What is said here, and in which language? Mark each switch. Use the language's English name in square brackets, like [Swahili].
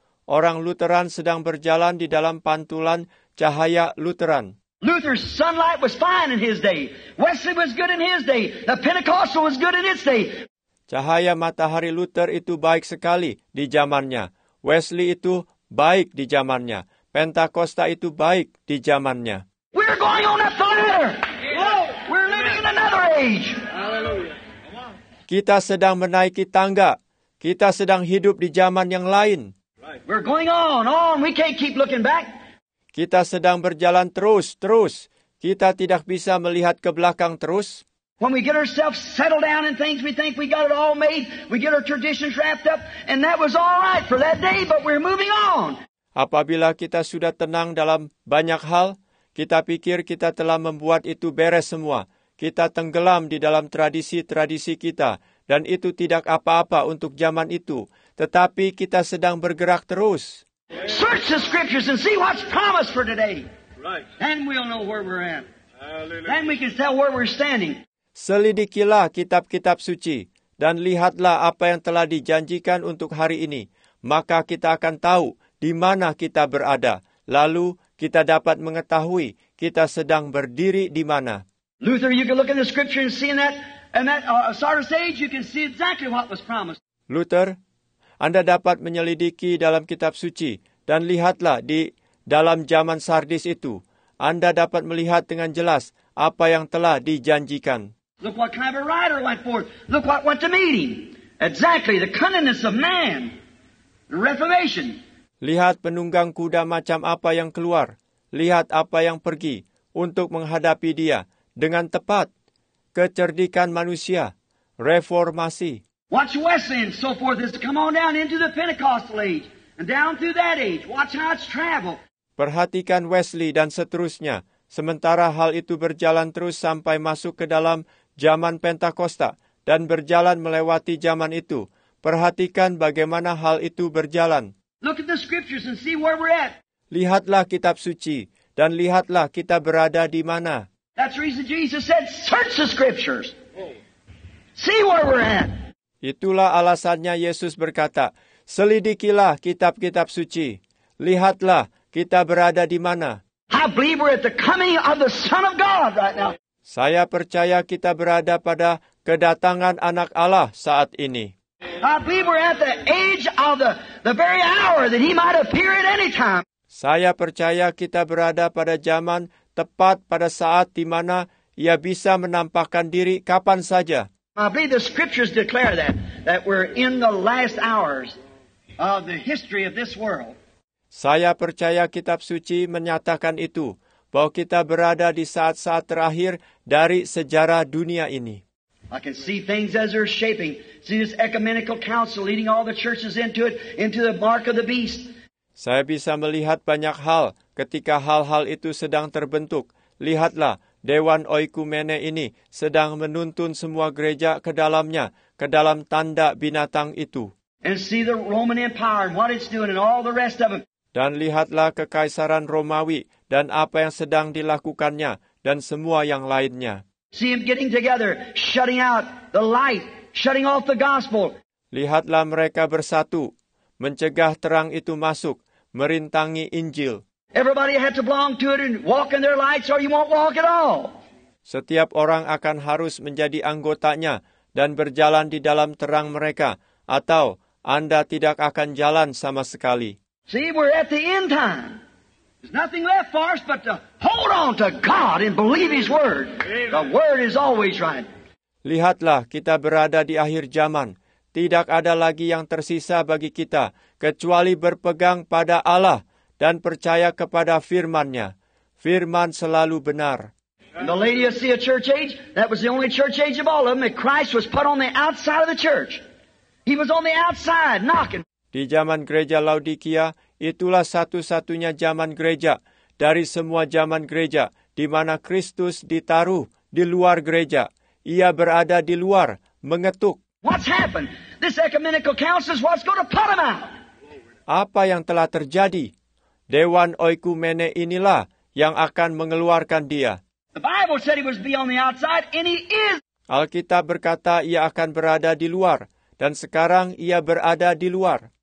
[Indonesian] Orang Lutheran sedang berjalan di dalam pantulan cahaya Lutheran. [English] Luther's sunlight was fine in his day. Wesley was good in his day. The Pentecostal was good in its day. [Indonesian] Cahaya matahari Luther itu baik sekali di zamannya. Wesley itu baik di zamannya. Pentakosta itu baik di zamannya. [English] We're going on up the ladder. We're living in another age. [Indonesian] Kita sedang menaiki tangga. Kita sedang hidup di zaman yang lain. [English] We're going on. We can't keep looking back. [Indonesian] Kita sedang berjalan terus. Kita tidak bisa melihat ke belakang terus. [English] When we get ourselves settled down in things, we think we got it all made. We get our traditions wrapped up, and that was all right for that day. But we're moving on. [Indonesian] Apabila kita sudah tenang dalam banyak hal, kita pikir kita telah membuat itu beres semua. Kita tenggelam di dalam tradisi-tradisi kita, dan itu tidak apa-apa untuk zaman itu. Tetapi kita sedang bergerak terus. [English] Search the scriptures and see what's promised for today. Then we'll know where we're at. Then we can tell where we're standing. [Indonesian] Selidikilah kitab-kitab suci, dan lihatlah apa yang telah dijanjikan untuk hari ini. Maka kita akan tahu di mana kita berada. Lalu kita dapat mengetahui kita sedang berdiri di mana. [English] Luther, you can look in the scripture and see in that Sardis age, you can see exactly what was promised. [Indonesian] Luther, Anda dapat menyelidiki dalam kitab suci, dan lihatlah di dalam zaman Sardis itu. Anda dapat melihat dengan jelas apa yang telah dijanjikan. [English] Look what kind of a rider went forth. Look what went to meet him. Exactly, the cunningness of man. The Reformation. [Indonesian] Lihat penunggang kuda macam apa yang keluar. Lihat apa yang pergi untuk menghadapi dia. Dengan tepat, kecerdikan manusia, reformasi. [English] Watch Wesley and so forth as it come on down into the Pentecostal age and down through that age. Watch how it's traveled. [Indonesian] Perhatikan Wesley dan seterusnya. Sementara hal itu berjalan terus sampai masuk ke dalam zaman Pentakosta dan berjalan melewati zaman itu. Perhatikan bagaimana hal itu berjalan. [English] Look at the scriptures and see where we're at. [Indonesian] Lihatlah kitab suci dan lihatlah kita berada di mana. [English] That's the reason Jesus said, search the scriptures. See where we're at. [Indonesian] Itulah alasannya Yesus berkata, selidikilah kitab-kitab suci. Lihatlah kita berada di mana. [English] I believe we're at the coming of the Son of God right now. [Indonesian] Saya percaya kita berada pada kedatangan Anak Allah saat ini. [English] I believe we're at the age of the very hour that He might appear at any time. [Indonesian] Saya percaya kita berada pada zaman tepat pada saat di mana Ia bisa menampakkan diri kapan saja. [English] I believe the scriptures declare that we're in the last hours of the history of this world. [Indonesian] Saya percaya kitab suci menyatakan itu, bahwa kita berada di saat-saat terakhir dari sejarah dunia ini. [English] I can see things as they're shaping. See this ecumenical council leading all the churches into it, into the mark of the beast. [Indonesian] Saya bisa melihat banyak hal ketika hal-hal itu sedang terbentuk. Lihatlah, Dewan Oikumene ini sedang menuntun semua gereja ke dalamnya, ke dalam tanda binatang itu. [English] And see the Roman Empire and what it's doing and all the rest of them. [Indonesian] Dan lihatlah kekaisaran Romawi dan apa yang sedang dilakukannya dan semua yang lainnya. [English] See them getting together, shutting out the light, shutting off the gospel. [Indonesian] Lihatlah mereka bersatu, mencegah terang itu masuk, merintangi Injil. [English] Everybody had to belong to it and walk in their lights or you won't walk at all. [Indonesian] Setiap orang akan harus menjadi anggotanya dan berjalan di dalam terang mereka atau Anda tidak akan jalan sama sekali. [English] See, we're at the end time. There's nothing left for us but to hold on to God and believe His Word. Amen. The Word is always right. [Indonesian] Lihatlah, kita berada di akhir zaman. Tidak ada lagi yang tersisa bagi kita kecuali berpegang pada Allah dan percaya kepada Firman-Nya. Firman selalu benar. [English] And the Laodicea church age, that was the only church age of all of them, that Christ was put on the outside of the church. He was on the outside knocking. [Indonesian] Di zaman gereja Laodikia, itulah satu-satunya zaman gereja dari semua zaman gereja di mana Kristus ditaruh di luar gereja. Ia berada di luar, mengetuk. [English] What's happened? This ecumenical council is what's going to put them out. [Indonesian] apa yang telah terjadi. Dewan Oikumene inilah yang akan mengeluarkan dia. [English] The Bible said he was be on the outside, and he is. [Indonesian] Alkitab berkata ia akan berada di luar, dan sekarang ia berada di luar.